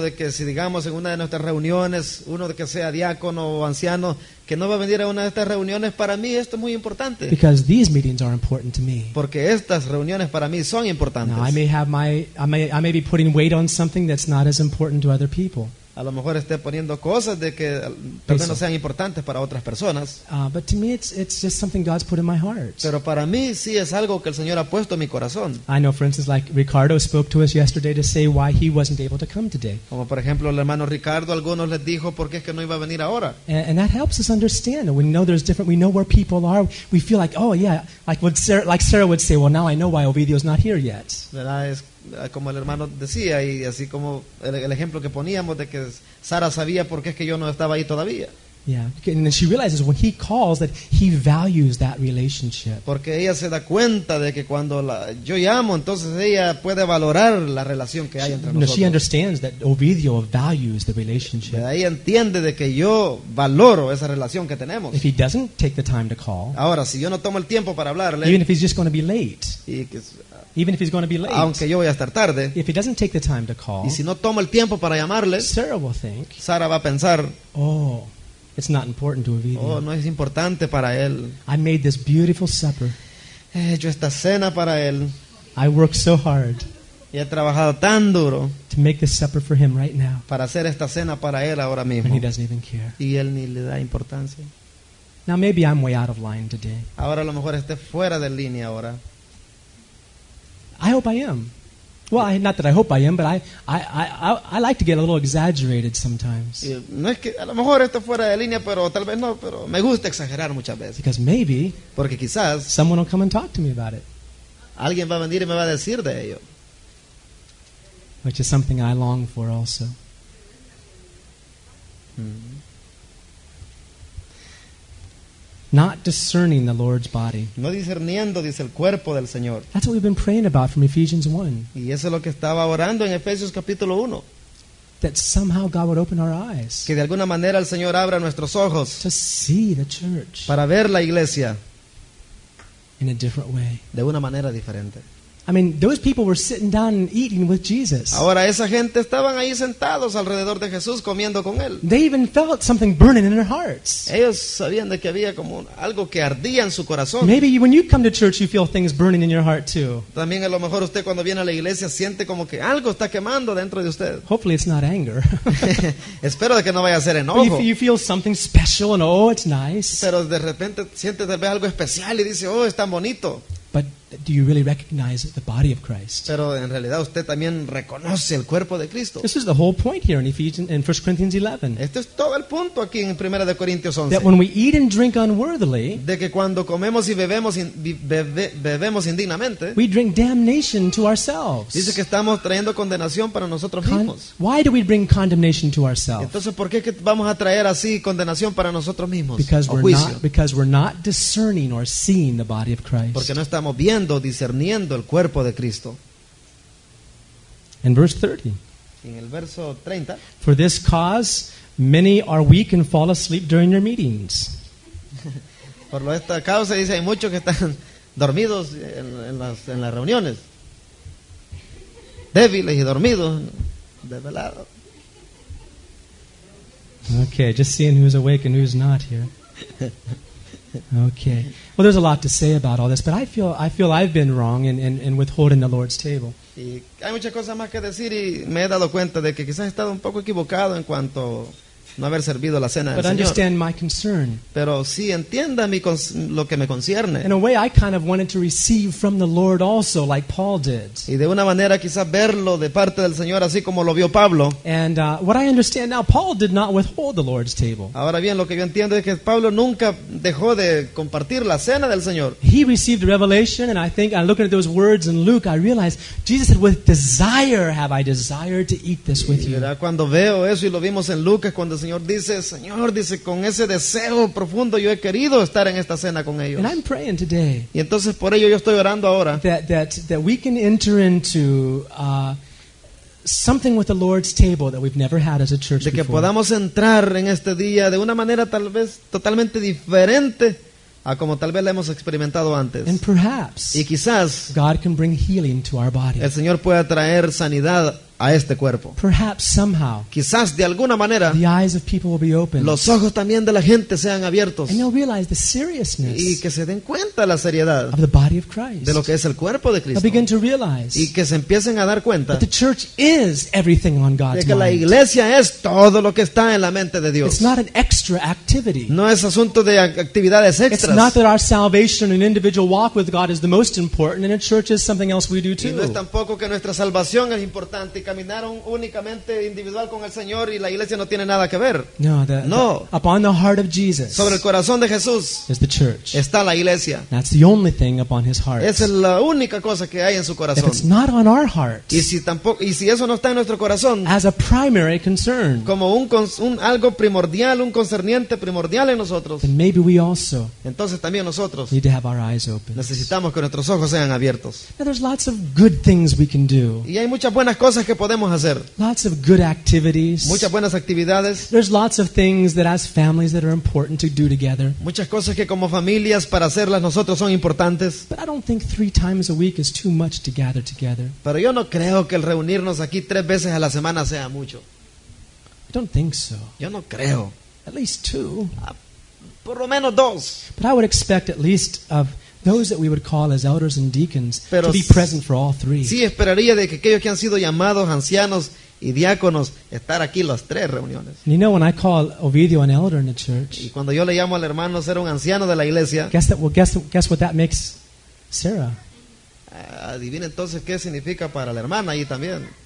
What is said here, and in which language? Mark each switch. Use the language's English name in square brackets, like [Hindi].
[Spanish] De que si digamos en una de nuestras reuniones, uno de que sea diácono o anciano, que no va a venir a una de estas reuniones, para mí esto es muy importante. [English] Because these meetings are important to me. [Spanish] Porque estas reuniones para mí son importantes. [English] Now, I may be putting weight on something that's not as important to other people. [Spanish] A lo mejor esté poniendo cosas de que tal vez no sean importantes para otras personas. [English] But to me it's just something God's put in my heart. [Spanish] Pero para mí sí es algo que el Señor ha puesto en mi corazón. [English] I know, for instance, like Ricardo spoke to us yesterday to say why he wasn't able to come today. [Spanish] Como por ejemplo el hermano Ricardo, algunos les dijo por qué es que no iba a venir ahora. [English] And that helps us understand. We know there's different. We know where people are. We feel like, oh yeah, like Sarah would say, well, now I know why Ovidio's not here yet. [Spanish] ¿Verdad? Es como el hermano decía, y así como el ejemplo que poníamos de que Sara sabía por qué es que yo no estaba ahí todavía. [English] Yeah, and then she realizes when he calls that he values that relationship. [Spanish] Porque ella se da cuenta de que cuando yo llamo, entonces ella puede valorar la relación que hay entre nosotros. [English] She understands that Ovidio values the relationship. [Spanish] Ella entiende de que yo valoro esa relación que tenemos. [English] If he doesn't take the time to call, [Spanish] ahora si yo no tomo el tiempo para hablarle, [English] even if he's just going to be late, even if he's going to be late, [Spanish] aunque yo voy a estar tarde, [English] if he doesn't take the time to call, [Spanish] y si no tomo el tiempo para llamarle, [English] Sarah will think, [Spanish] Sara va a pensar, [English] oh. It's not important to Ovidio. [Spanish] Oh, no es importante para él. [English] I made this beautiful supper. [Spanish] He hecho esta cena para él. [English] I worked so hard. [Spanish] Y he trabajado tan duro. [English] To make this supper for him right now. [Spanish] Para hacer esta cena para él ahora mismo. [English] And he doesn't even care. [Spanish] Y él ni le da importancia. [English] Now maybe I'm way out of line today. [Spanish] Ahora a lo mejor esté fuera de línea ahora. [English] I hope I am. Well, not that I hope I am, but I like to get a little exaggerated sometimes. [Spanish] No es que a lo mejor esto fuera de línea, pero tal vez no, pero me gusta exagerar muchas veces. [English] Because maybe, [Spanish] porque quizás, [English] someone will come and talk to me about it. [Spanish] Alguien va a venir y me va a decir de ello. [English] Which is something I long for also. Not discerning the Lord's body. [Spanish] No discerniendo, dice, el cuerpo del Señor. [English] That's what we've been praying about from Ephesians 1. [Spanish] Y eso es lo que estaba orando en Efesios capítulo 1. [English] That somehow God would open our eyes. [Spanish] Que de alguna manera el Señor abra nuestros ojos. [English] To see the church. [Spanish] Para ver la iglesia. [English] In a different way. [Spanish] De una manera diferente. [English] I mean, those people were sitting down and eating with Jesus. [Spanish] Ahora esa gente estaban ahí sentados alrededor de Jesús comiendo con él. [English] They even felt something burning in their hearts. [Spanish] Ellos sabían de que había como algo que ardía en su corazón. [English] Maybe when you come to church, you feel things burning in your heart too. [Spanish] También a lo mejor usted cuando viene a la iglesia siente como que algo está quemando dentro de usted. [English] Hopefully it's not anger. [Spanish] Espero de que no vaya a ser enojo. [English] But you feel something special and oh, it's nice. [Spanish] Pero de repente siente tal vez algo especial y dice, oh, es tan bonito. [English] But do you really recognize the body of Christ? [Spanish] Pero en realidad usted también reconoce el cuerpo de Cristo. [English] This is the whole point here in Ephesians and 1 Corinthians 11. [Spanish] Este es todo el punto aquí en Primera de Corintios 11. [English] That when we eat and drink unworthily, [Spanish] de que cuando comemos y bebemos indignamente, [English] we drink damnation to ourselves. [Spanish] Dice que estamos trayendo condenación para nosotros mismos. [English] Why do we bring condemnation to ourselves? [Spanish] Entonces, ¿por qué que vamos a traer así condenación para nosotros mismos? [English] Because we're not discerning or seeing the body of Christ. [Spanish] Porque no estamos viendo, discerniendo el cuerpo de Cristo. [English] In verse 30. [Spanish] En el verso 30. [English] For this cause, many are weak and fall asleep during your meetings. [Spanish] Por esta causa, dice, hay muchos que están dormidos en las reuniones. Débiles y dormidos, desvelados. [English] Okay, just seeing who's awake and who's not here. Okay. Well, there's a lot to say about all this, but I feel I've been wrong in withholding the Lord's table. [Spanish] Y hay muchas cosas más que decir y me he dado cuenta de que quizás he estado un poco equivocado en cuanto no haber servido la cena del [English] Señor. But understand my concern. [Spanish] Pero sí entienda lo que me concierne. [English] In a way, I kind of wanted to receive from the Lord also, like Paul did. [Spanish] Y de una manera quizás verlo de parte del Señor así como lo vio Pablo. [English] And what I understand now, Paul did not withhold the Lord's table. [Spanish] Ahora bien, lo que yo entiendo es que Pablo nunca dejó de compartir la cena del Señor. [English] He received revelation, and I think, looking at those words in Luke, I realized Jesus said, "With desire have I desired to eat this with you." [Spanish] Cuando veo eso y lo vimos en Lucas cuando el Señor dice, con ese deseo profundo yo he querido estar en esta cena con ellos. [English] And I'm praying today. [Spanish] Y entonces por ello yo estoy orando ahora. [English] That we can enter into something with the Lord's table that we've never had as a church before. [Spanish] De que podamos entrar en este día de una manera tal vez totalmente diferente a como tal vez la hemos experimentado antes. [English] And perhaps [Spanish] y quizás [English] God can bring healing to our body. [Spanish] El Señor pueda traer sanidad a este cuerpo. [English] Perhaps somehow, [Spanish] quizás de alguna manera, [English] the eyes of people will be opened. [Spanish] Los ojos también de la gente sean abiertos. [English] And they'll realize the seriousness [Spanish] y que se den cuenta la seriedad [English] of the body of Christ. [Spanish] De lo que es el cuerpo de Cristo. [English] They'll begin to realize [Spanish] y que se empiecen a dar cuenta [English] that the church is everything on God's [Spanish] de que [English] mind. [Spanish] La iglesia es todo lo que está en la mente de Dios. [English] It's not an extra activity. [Spanish] No es asunto de actividades extras. [English] It's not that our salvation and individual walk with God is the most important, and a church is something else we do too. [Spanish] Y no es tampoco que nuestra salvación es importante. Caminaron únicamente individual con el Señor y la iglesia no tiene nada que ver. [English] No, upon the heart of Jesus, [Spanish] sobre el corazón de Jesús, [English] is the church. [Spanish] Está la iglesia. [English] That's the only thing upon his heart. [Spanish] Esa es la única cosa que hay en su corazón. [English] If it's not on our heart, [Spanish] y si eso no está en nuestro corazón, [English] as a primary concern, [Spanish] como un algo primordial, un concerniente primordial en nosotros, [English] then maybe we also, [Spanish] entonces también nosotros, [English] need to have our eyes open. [Spanish] Necesitamos que nuestros ojos sean abiertos. [English] Now, there's lots of good things we can do. [Spanish] Y hay muchas buenas cosas que podemos hacer. [English] Lots of good activities. [Spanish] Muchas buenas actividades. [English] There's lots of things that as families that are important to do together. [Spanish] Muchas cosas que como familias para hacerlas nosotros son importantes. [English] But I don't think three times a week is too much to gather together. [Spanish] Pero yo no creo que el reunirnos aquí tres veces a la semana sea mucho. [English] I don't think so. [Spanish] Yo no creo. [English] At least two. [Spanish] Por lo menos dos. [English] But I would expect at least of those that we would call as elders and deacons [Spanish] pero [English] to be present for all three. [Spanish] Sí, esperaría de que aquellos que han sido llamados ancianos y diáconos estar aquí las tres reuniones. [English] And you know, when I call Ovidio an elder in the church, [Spanish] y cuando yo le llamo al hermano ser un anciano de la iglesia, [English] guess what that makes Sarah. [Spanish] Adivina entonces qué significa para la hermana ahí también.